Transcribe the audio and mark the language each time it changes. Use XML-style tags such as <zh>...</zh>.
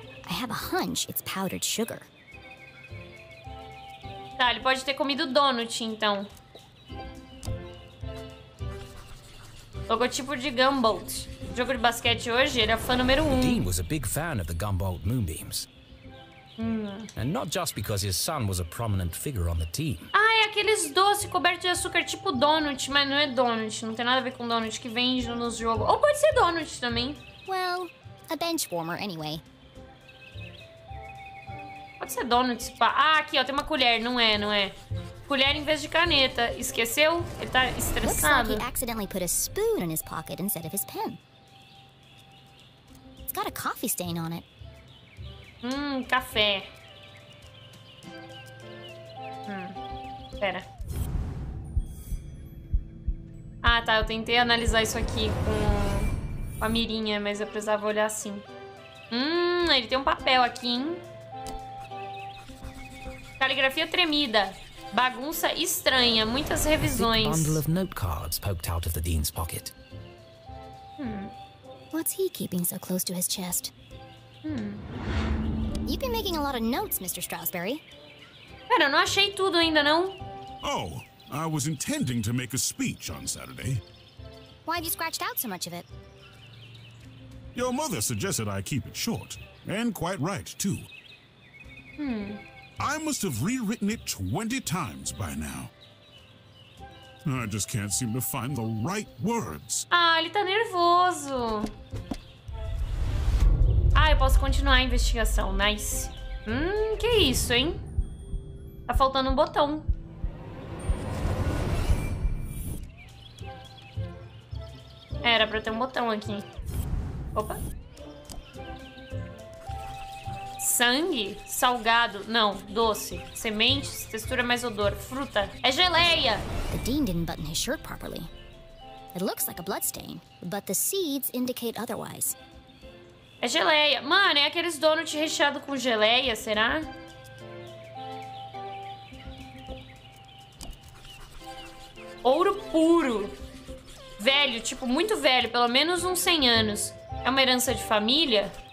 <pt>Eu tenho um hunch,</pt> <en>it's powdered sugar.</en> <pt>Tá, ele pode ter comido donut, então. Logotipo de Gumball. Jogo de basquete hoje, ele é fã número um.</pt> <en>Dean was a big fan of the Gumball Moonbeams. And not just because his son was a prominent figure on the team.</en> <pt>Ah, é aqueles doces cobertos de açúcar tipo donut, mas não é donut, não tem nada a ver com donut que vende nos jogos. Ou pode ser donut também.</pt> <en>Well, a bench warmer anyway.</en> <pt>Pode ser donut, pá. Ah, aqui, ó, tem uma colher, não é. Colher em vez de caneta. Esqueceu? Ele tá estressado.</pt> <en>Looks like he accidentally put a spoon in his pocket instead of his pen. It's got a coffee stain on it.</en> <pt>Café. Pera. Ah, tá, eu tentei analisar isso aqui com a mirinha, mas eu precisava olhar assim. Ele tem um papel aqui, hein? Caligrafia tremida. Bagunça estranha, muitas revisões.</pt> <en>A bundle of note cards poked out of the dean's pocket. What's he keeping so close to his chest? You've been making a lot of notes, Mr. Strawsberry.</en> <pt>Pera, eu não achei tudo ainda, não.</pt> <en>Oh, I was intending to make a speech on Saturday. Why have you scratched out so much of it? Your mother suggested I keep it short, and quite right, too. I must have rewritten it 20 times by now. I just can't seem to find the right words.</en> <pt>Ah, ele tá nervoso. Ah, eu posso continuar a investigação. Nice. Que isso, hein? Tá faltando um botão. Era pra ter um botão aqui. Opa. Sangue? Salgado? Não, doce. Sementes? Textura mais odor. Fruta? É geleia!</pt> <en>The Dean didn't button his shirt properly. It looks like a bloodstain, but the seeds indicate otherwise.</en> <pt>É geleia. Mano, é aqueles donut recheado com geleia, será? Ouro puro. Velho, tipo, muito velho. Pelo menos uns 100 anos. É uma herança de família?</pt>